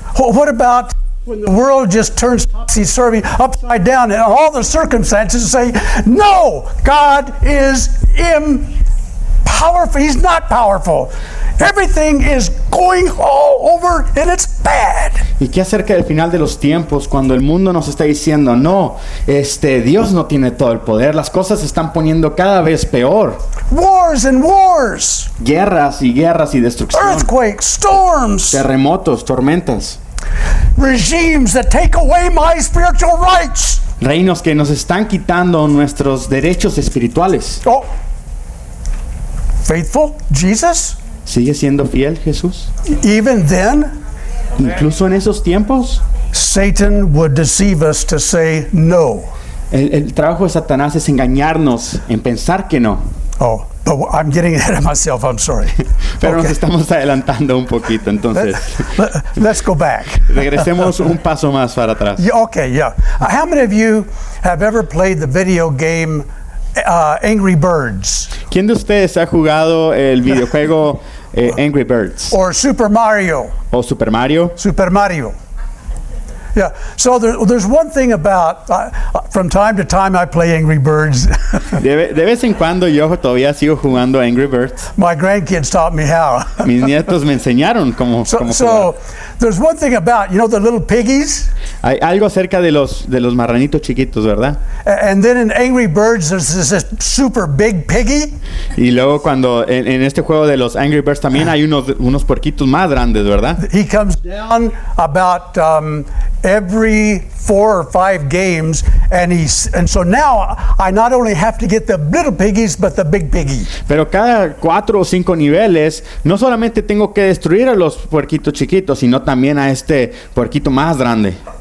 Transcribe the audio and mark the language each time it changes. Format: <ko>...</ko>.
<en>What about when the world just turns topsy-turvy upside down and all the circumstances say, no, God is powerful. He's not powerful. Everything is going all over and it's bad.</en> <es>¿Y qué acerca del final de los tiempos cuando el mundo nos está diciendo, no, Dios no tiene todo el poder, las cosas se están poniendo cada vez peor?</es> <en>Wars and wars.</en> <es>Guerras y guerras y destrucción.</es> <en>Earthquakes, storms.</en> <es>Terremotos, tormentas.</es> <en>Regimes that take away my spiritual rights.</en> <es>Reinos que nos están quitando nuestros derechos espirituales.</es> <en>Oh. Faithful Jesus?</en> <es>¿Sigue siendo fiel Jesús?</es> <en>Even then?</en> <es>Incluso en esos tiempos?</es> <en>Satan would deceive us to say no.</en> <es>El trabajo de Satanás es engañarnos en pensar que no.</es> <en>Oh, but I'm getting ahead of myself, I'm sorry.</en> <es>Pero okay. Nos estamos adelantando un poquito, entonces.</es> <en>Let's go back.</en> <es>Regresemos un paso más para atrás.</es> <en>Yeah, okay, yeah. How many of you have ever played the video game Angry Birds?</en> <es>¿Quién de ustedes ha jugado el videojuego Angry Birds?</es> <en>Or Super Mario.</en> <es>¿O Super Mario?</es> <en>Super Mario. Yeah, so there's one thing about, from time to time I play Angry Birds.</en> <es>De vez en cuando yo todavía sigo jugando Angry Birds.</es> <en>My grandkids taught me how.</en> <es>Mis nietos me enseñaron cómo</es> <en>so there's one thing about, you know, the little piggies?</en> <es>Hay algo acerca de los marranitos chiquitos, ¿verdad?</es> <en>And then in Angry Birds there's this super big piggy.</en> <es>Y luego cuando en este juego de los Angry Birds también hay unos puerquitos más grandes, ¿verdad?</es> <en>He comes down about every four or five games, and so now I not only have to get the little piggies but the big piggy.</en> <es>Pero cada cuatro o cinco niveles no solamente tengo que destruir a los puerquitos chiquitos sino también a este puerquito más grande.</es>